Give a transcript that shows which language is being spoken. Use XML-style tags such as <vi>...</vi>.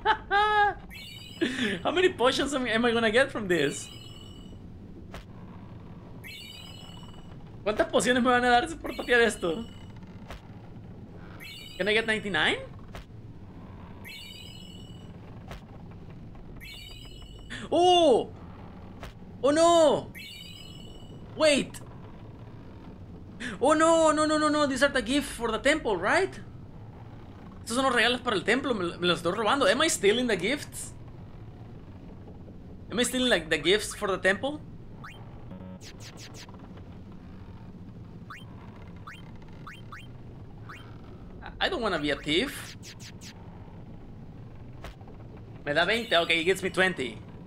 <en>How many potions am I gonna get from this?</en> <es>¿Cuántas pociones me van a dar por tapiar esto?</es> <en>Can I get 99? Oh! Oh no! Wait! Oh no, no, no, no, no, these are the gift for the temple, right?</en> <es>Estos son los regalos para el templo, me los estoy robando.</es> <en>Am I stealing the gifts? Am I stealing, like, the gifts for the temple? I don't wanna be a thief.</en> <es>Me da 20,</es> <en>okay, he gives me 20.</en>